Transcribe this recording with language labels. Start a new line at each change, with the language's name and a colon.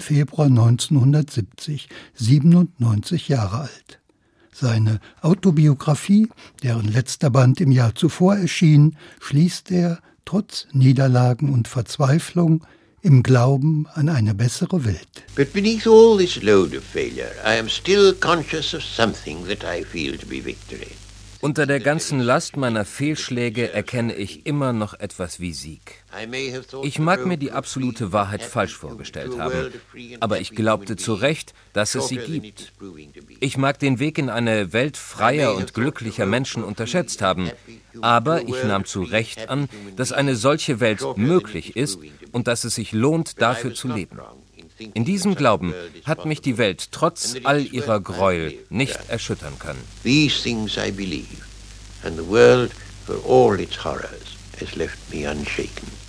German: Februar 1970, 97 Jahre alt. Seine Autobiografie, deren letzter Band im Jahr zuvor erschien, schließt er, trotz Niederlagen und Verzweiflung, im Glauben an eine bessere Welt.
English: But beneath all this load of failure, I am still conscious of something that I feel to be victory.
German: Unter der ganzen Last meiner Fehlschläge erkenne ich immer noch etwas wie Sieg. Ich mag mir die absolute Wahrheit falsch vorgestellt haben, aber ich glaubte zu Recht, dass es sie gibt. Ich mag den Weg in eine Welt freier und glücklicher Menschen unterschätzt haben, aber ich nahm zu Recht an, dass eine solche Welt möglich ist und dass es sich lohnt, dafür zu leben. In diesem Glauben hat mich die Welt trotz all ihrer Gräuel nicht erschüttern können.
English: These things I believe, and the world, for all its horrors, has left me unshaken.